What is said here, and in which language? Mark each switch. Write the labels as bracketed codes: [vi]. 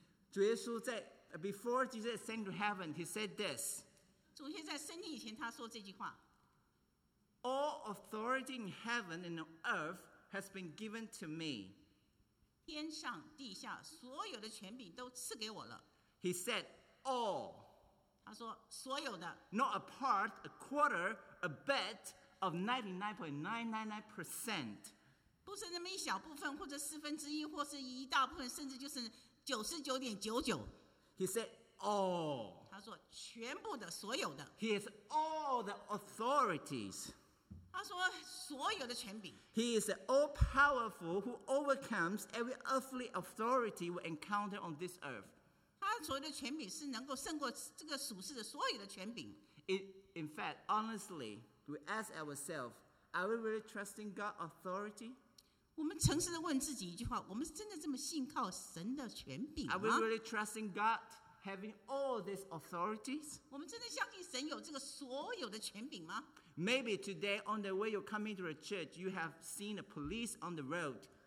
[zh] 主耶稣在 [en] before Jesus ascended to heaven, he said this. [zh] 主耶稣在升天以前，他说这句话。 [en] All authority in heaven and on earth has been given to me. [zh] 天上地下所有的权柄都赐给我了。 [en] He said all. [zh] 他说所有的。 [en] Not a part, a quarter, a bit of 99.999%. [zh] 不是那么一小部分，或者四分之一，或是一大部分，甚至就是99.99%。 [en] He said all. [zh] 他说全部的，所有的。 [en] He has all the authorities. [zh] 他说所有的权柄。 [en] He is the all-powerful who overcomes every earthly authority we encounter on this earth. [zh] 他所有的权柄是能够胜过这个属世的所有的权柄。 [en] In fact, honestly, we ask ourselves, are we really trusting God's authority? [zh] 我们诚实地问自己一句话，我们真的这么信靠神的权柄吗? [en] Are we really trusting God having all these authorities? [zh] 我们真的相信神有这个所有的权柄吗? [en] Maybe today, on the way you're coming to the church, you have seen a police on the road.